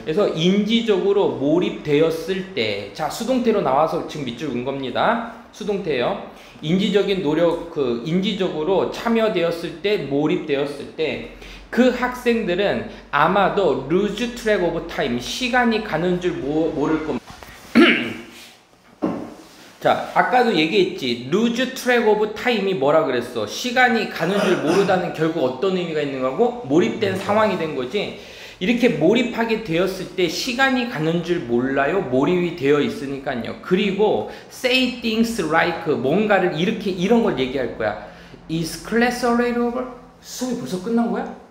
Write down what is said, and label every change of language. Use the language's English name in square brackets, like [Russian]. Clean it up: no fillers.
[Korean] 그래서 인지적으로 몰입되었을 때, 자 수동태로 나와서 지금 밑줄 은 겁니다. 수동태예요. 인지적인 노력, 그 인지적으로 참여되었을 때, 몰입되었을 때, 그 학생들은 아마도 [English] lose track of time, [Korean] 시간이 가는 줄 모를 겁니다. 자, 아까도 얘기했지. [English] lose track of time [Korean] 이 뭐라 그랬어? 시간이 가는 줄 모르다는 결국 어떤 의미가 있는 거고? 몰입된 상황이 된 거지. 이렇게 몰입하게 되었을 때 시간이 가는 줄 몰라요. 몰입이 되어 있으니까요. 그리고 [English] say things like [Korean] 뭔가를 이렇게 이런 걸 얘기할 거야. [English] Is class already over? [Korean] 수업이 벌써 끝난 거야?